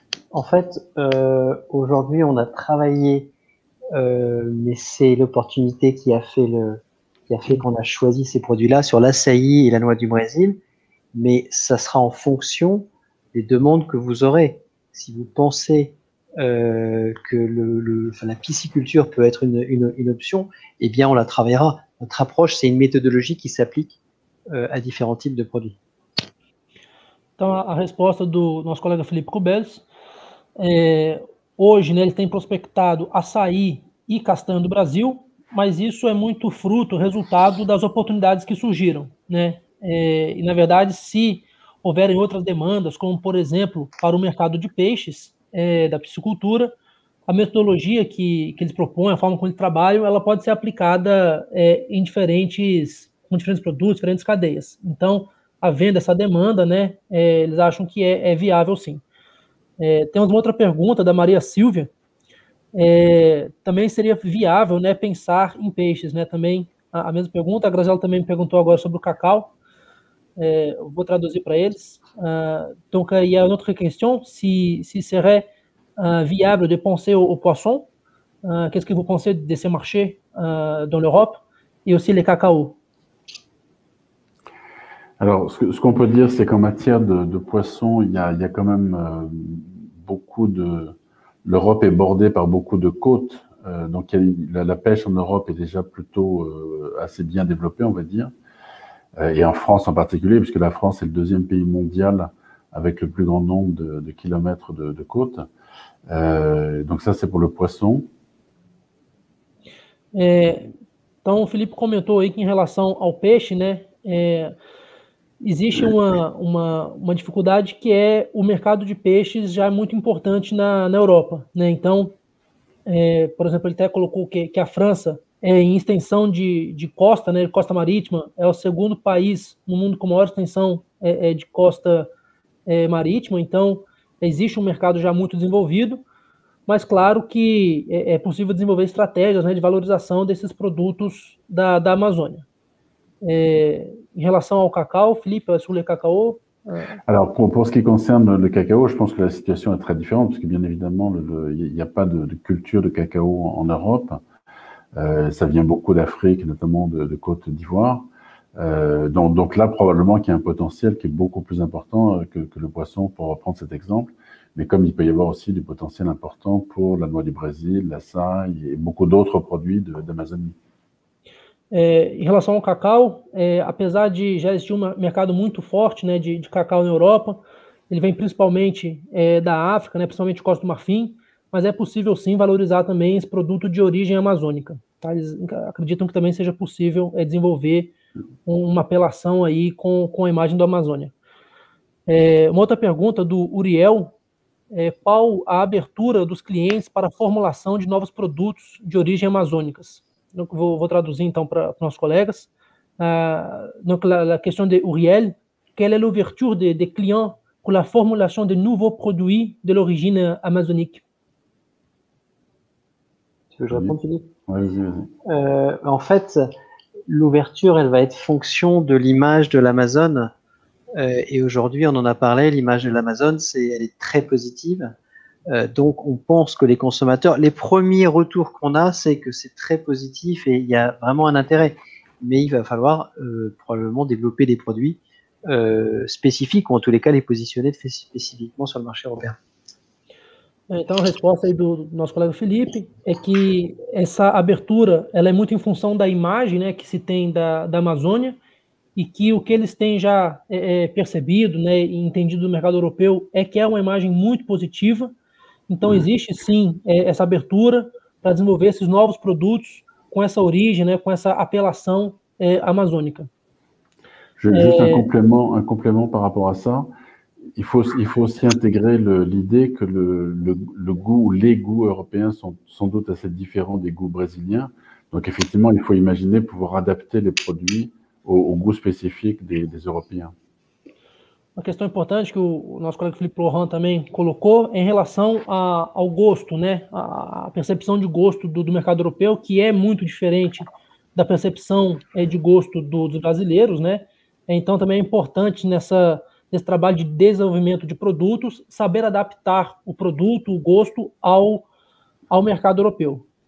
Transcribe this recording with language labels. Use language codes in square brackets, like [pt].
[fr] En fait, aujourd'hui, on a travaillé, mais c'est l'opportunité qui a fait qu'on a choisi ces produits-là sur l'açaïe et la noix du Brésil, mais ça sera en fonction des demandes que vous aurez. Si vous pensez que la pisciculture peut être une option, eh bien, on la travaillera. Notre approche, c'est une méthodologie qui s'applique à différents types de produits. [pt] Então, a resposta do nosso colega Felipe Cubels é, hoje, né, ele tem prospectado açaí e castanha do Brasil, mas isso é muito fruto, resultado das oportunidades que surgiram, né? E, na verdade, se houverem outras demandas, como, por exemplo, para o mercado de peixes, da piscicultura, a metodologia que eles propõem, a forma como eles trabalham, ela pode ser aplicada em diferentes produtos, diferentes cadeias. Então, havendo essa demanda, né, eles acham que é viável, sim. Temos uma outra pergunta da Maria Silvia. Também seria viável, né, pensar em peixes, né? Também a mesma pergunta. A Graziela também me perguntou agora sobre o cacau. Vou traduzir para eles. [fr] Então, il y a une autre question, si serait viable de penser au poisson. Qu'est-ce que vous pensez de ce marché dans l'Europe et aussi les cacao? Alors, ce qu'on peut dire, c'est qu'en matière de poisson, il y a quand même beaucoup de... L'Europe est bordée par beaucoup de côtes, donc la pêche en Europe est déjà plutôt assez bien développée, on va dire. Et en France en particulier, puisque la France est le deuxième pays mondial avec le plus grand nombre de kilomètres de côtes. Donc ça, c'est pour le poisson. [pt] Então, o Felipe comentou aí que em relação ao peixe, né, existe uma dificuldade que é o mercado de peixes já é muito importante na Europa, né? Então, por exemplo, ele até colocou que a França em extensão de costa, né, costa marítima, é o segundo país no mundo com maior extensão de costa marítima. Então, existe um mercado já muito desenvolvido, mas claro que é possível desenvolver estratégias, né, de valorização desses produtos da Amazônia. Em relação ao cacau, Felipe, [fr] sur le cacao? Alors, pour ce qui concerne le cacao, je pense que la situation est très différente, parce que bien évidemment, il n'y a pas de culture de cacao en Europe. Ça vient beaucoup d'Afrique, notamment de Côte d'Ivoire. Donc là, probablement qu'il y a un potentiel qui est beaucoup plus important que le poisson, pour reprendre cet exemple. Mais comme il peut y avoir aussi du potentiel important pour la noix du Brésil, la saï et beaucoup d'autres produits d'Amazonie. [pt] Em relação ao cacau, apesar de já existir um mercado muito forte, né, de cacau na Europa, ele vem principalmente da África, né, principalmente Costa do Marfim, mas é possível sim valorizar também esse produto de origem amazônica. Tá? Eles acreditam que também seja possível desenvolver uma apelação aí com a imagem da Amazônia. Uma outra pergunta do Uriel, qual a abertura dos clientes para a formulação de novos produtos de origem amazônicas? [fr] Donc, vous traduisez donc pour nos collègues. Donc, la question de Uriel, quelle est l'ouverture des clients pour la formulation de nouveaux produits de l'origine amazonique? Tu veux que je réponde, Philippe? Oui, vas-y. En fait, l'ouverture, elle va être fonction de l'image de l'Amazone. Et aujourd'hui, on en a parlé, l'image de l'Amazone, elle est très positive. Donc, on pense que les consommateurs, les premiers retours qu'on a, c'est que c'est très positif et il y a vraiment un intérêt. Mais il va falloir probablement développer des produits spécifiques ou en tous les cas les positionner spécifiquement sur le marché européen. [pt] Então, a resposta aí do nosso colega Felipe é que essa abertura, ela é muito em função da imagem, né, que se tem da Amazônia e que o que eles têm já percebido, né, e entendido do mercado europeu é que é uma imagem muito positiva. Então, existe, sim, essa abertura para desenvolver esses novos produtos com essa origem, né, com essa apelação amazônica. [fr] Juste un complément par rapport à ça. Il faut aussi intégrer l'idée que le goût, les goûts européens sont sans doute assez différents des goûts brésiliens. Donc, effectivement, il faut imaginer pouvoir adapter les produits aux goûts spécifiques des Européens. [pt] Uma questão importante que o nosso colega Felipe Lohan também colocou em relação ao gosto, né? A percepção de gosto do mercado europeu, que é muito diferente da percepção de gosto dos brasileiros, né? Então, também é importante nesse trabalho de desenvolvimento de produtos, saber adaptar o produto, o gosto, ao mercado europeu.